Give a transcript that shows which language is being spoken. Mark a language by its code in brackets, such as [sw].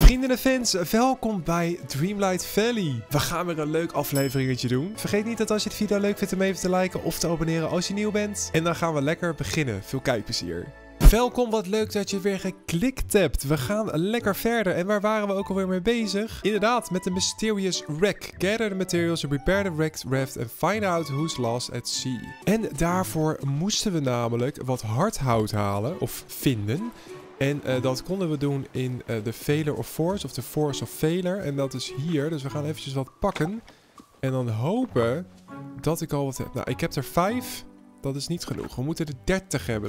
[nl] Vrienden en fans, welkom bij Dreamlight Valley. We gaan weer een leuk afleveringetje doen. Vergeet niet dat als je de video leuk vindt om even te liken of te abonneren als je nieuw bent. En dan gaan we lekker beginnen. Veel kijkplezier. Welkom, wat leuk dat je weer geklikt hebt. We gaan lekker verder. En waar waren we ook alweer mee bezig? Inderdaad, met de Mysterious Wreck. [en] Gather the materials and repair the wrecked raft and find out who's lost at sea. [nl] En daarvoor moesten we namelijk wat hardhout halen, of vinden. En dat konden we doen in de Valor of Force, of de Force of Valor. En dat is hier, dus we gaan eventjes wat pakken. En dan hopen dat ik al wat heb. Nou, ik heb er 5. Dat is niet genoeg. We moeten er 30 hebben.